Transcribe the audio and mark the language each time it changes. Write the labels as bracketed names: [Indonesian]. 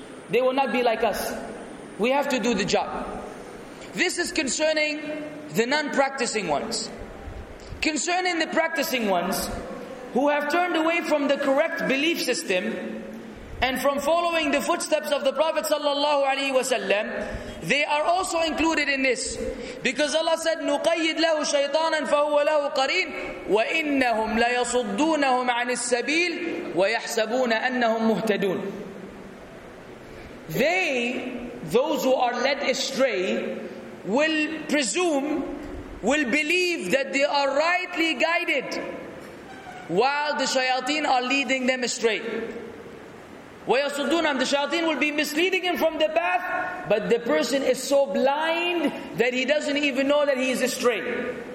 [English] They will not be like us. We have to do the job. This is concerning the non-practicing ones. Concerning the practicing ones, who have turned away from the correct belief system, and from following the footsteps of the Prophet [Arabic] sallallahu alaihi wasallam, [English] they are also included in this. Because Allah said, [Arabic] نُقَيِّدْ لَهُ شَيْطَانًا فَهُوَ لَهُ قَرِينَ وَإِنَّهُمْ لَيَصُدُّونَهُمْ عَنِ السَّبِيلِ وَيَحْسَبُونَ أَنَّهُمْ مُهْتَدُونَ. [English] They, those who are led astray, will presume, will believe that they are rightly guided while the shayateen are leading them astray. [Arabic] وَيَصُدُّونَهُمْ [English] The shayateen will be misleading him from the path, but the person is so blind that he doesn't even know that he is astray.